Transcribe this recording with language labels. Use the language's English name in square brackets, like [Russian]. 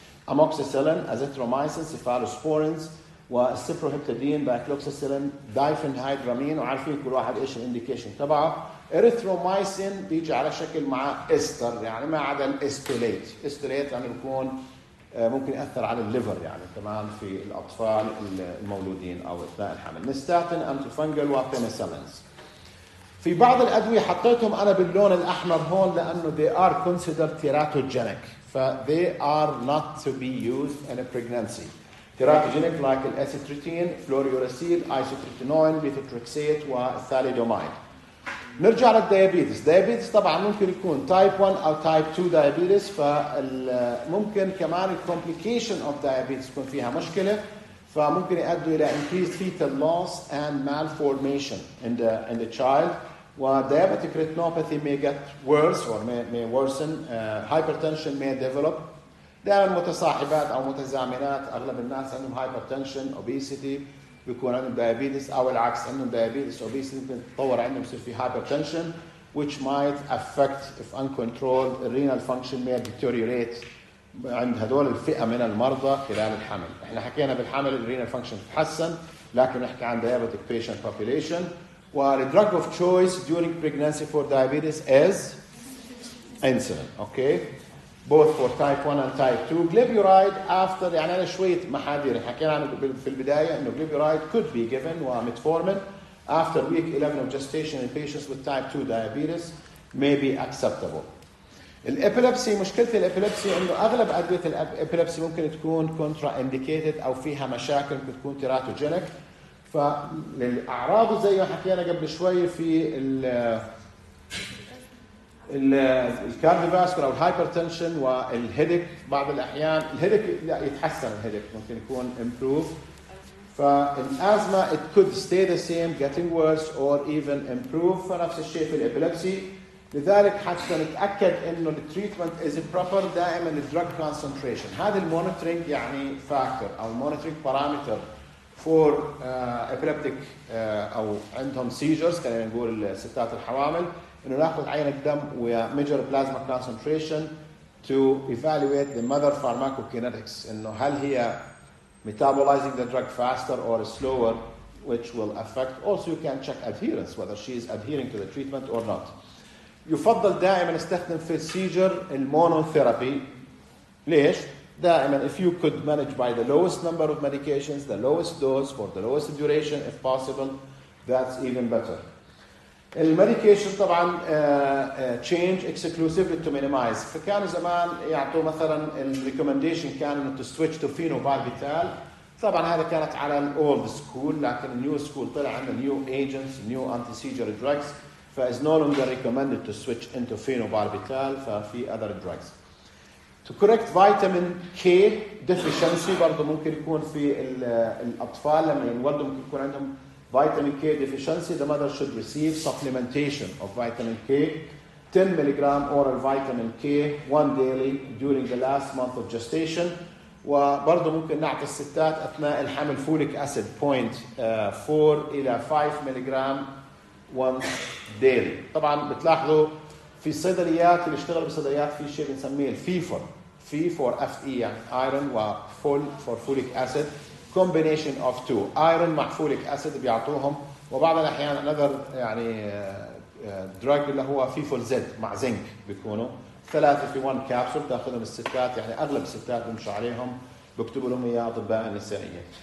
[Arabic] amoxicillin, azithromycin, cephalosporins وcyproheptadine, bacloxacillin, diphenhydramine وعارفين كل واحد إيش الindication تبعه Erythromycin بيجي على شكل مع إستر يعني ما عدا الإستوليت إستوليت يعني يكون ممكن يأثر على الليفر يعني كمان في الأطفال المولودين أو أثناء الحمل نستاتين أنتوفنجل وبنسلينز في بعض الأدوية حطيتهم أنا باللون الأحمر هون لأنه [English] they are considered teratogenic. They are not to be used in a pregnancy. [Arabic] Teratogenic like الأسيتريتين, فلوريوراسيل, إيسوتريتينوين, بيتوتريكسيت والثاليدوميد. نرجع للديابيتس. ديابيتس طبعا ممكن يكون تايب 1 أو تايب 2 ديابيتس, فممكن كمان الكمبليكيشن of ديابيتس يكون فيها مشكلة, فممكن يؤدي إلى [English] increased fetal loss and malformation in the child. [Arabic] وديابيتك ريتينوباثي [English] may get worse or may worsen. Hypertension may develop. [Arabic] دائما متصاحبات أو متزامنات, أغلب الناس عندهم hypertension, obesity, بيكون عندهم diabetes, أو العكس عندهم diabetes, obesity, ممكن تطور عندهم يصير في hypertension [English] which might affect if uncontrolled renal function may deteriorate [Arabic] عند هذول الفئة من المرضى خلال الحمل. احنا حكينا بالحمل renal function تحسن, لكن نحكي عن diabetic patient population. [English] Well, the drug of choice during pregnancy for diabetes is insulin, okay? Both for type 1 and type 2. Glyburide after, [Arabic] يعني أنا شوية محاذير حكينا عنه في البداية, أنه [English] glyburide could be given ومتفورمين after week 11 of gestation in patients with type 2 diabetes may be acceptable. [Arabic] الإبيلبسي, مشكلة الإبيلبسي أنه أغلب أدوية الإبيلبسي ممكن تكون contraindicated أو فيها مشاكل ممكن تكون teratogenic. فالأعراض زي ما حكينا قبل شوية في الكارديفاسكولار أو الهايبرتنشن والهيدك, بعض الأحيان الهيدك لا يتحسن, الهيدك ممكن يكون improve. [English] فالأزمة it could stay the same, getting worse or even improve. [Arabic] فنفس الشيء في الإبيلبسي, لذلك حتى نتأكد إنه [English] the treatment is proper, [Arabic] دائما the drug concentration, هذا المونيتورينج يعني factor أو المونيتورينج parameter for epileptic أو عندهم seizures, خلينا نقول الستات الحوامل, إنه نأخذ عينة دم وميجر بلازما concentration [English] to evaluate the mother pharmacokinetics, [Arabic] إنه هل هي [English] metabolizing the drug faster or slower, which will affect. Also you can check adherence, whether she is adhering to the treatment or not. [Arabic] يفضل دائما استخدم في seizure المونوثيرابي. ليش؟ دائما [English] if you could manage by the lowest number of medications, the lowest dose for the lowest duration if possible, that's even better. المديكيشن [Arabic] طبعا [English] change exclusively to minimize. [Arabic] فكان زمان يعطوا مثلا الريكومنديشن كان انه [English] to switch to phenobarbital. [Arabic] طبعا هذا كانت على الاولد سكول, لكن النيو سكول طلع عنده [English] new agents, new anti-seizure drugs, [Arabic] ف [English] is no longer recommended to switch into phenobarbital, [Arabic] ففي other drugs. [English] To correct vitamin K deficiency, [Arabic] برضو ممكن يكون في الأطفال لما ينولدوا ممكن يكون عندهم [English] vitamin K deficiency, the mother should receive supplementation of vitamin K, 10 milligram oral vitamin K, one daily during the last month of gestation. [Arabic] وبرضو ممكن نعطي الستات أثناء الحمل folic acid 0.4 إلى 5 milligram once daily. طبعا بتلاحظوا في الصيدليات اللي اشتغلوا بالصيدليات في شيء بنسميه الفيفر, في فور اف اي ايرون وفول فور فوليك اسيد, كومبينيشن اوف تو ايرون مع فوليك اسيد بيعطوهم, وبعض الاحيان انذر يعني دراج اللي هو فيفول زد مع زنك بيكونوا ثلاثه في 1 كابسول, تاخذهم الستات يعني اغلب الستات بمشي عليهم بكتبوا لهم اياه اطباء النسائيه.